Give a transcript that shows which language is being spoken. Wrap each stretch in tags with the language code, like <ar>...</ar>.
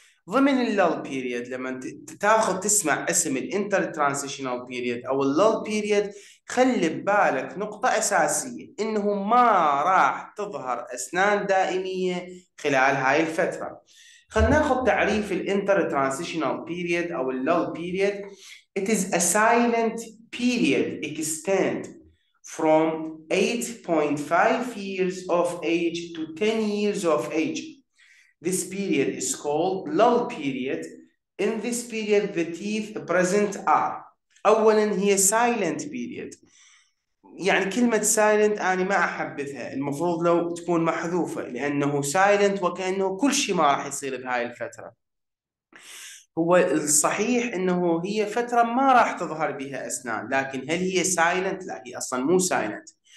<ar>ضمن اللول بيريد لما تاخذ تسمع اسم الانتر ترانزيشنال بيريد او اللول بيريد، خلي ببالك نقطة أساسية انه ما راح تظهر اسنان دائمية خلال هاي الفترة. خلينا ناخذ تعريف الانتر ترانزيشنال بيريد او اللول بيريد.</ar> <en>It is a silent period extend from 8.5 years of age to 10 years of age. This period is called lull period. In this period, the teeth present are.</en> <ar>أولا هي</ar> <en>silent period.</en> <ar>يعني كلمة silent أنا ما أحبذها، المفروض لو تكون محذوفة لأنه silent وكأنه كل شيء ما راح يصير بهاي الفترة. هو الصحيح انه هي فترة ما راح تظهر بها اسنان، لكن هل هي سايلنت؟ لا، هي اصلا مو سايلنت.</ar>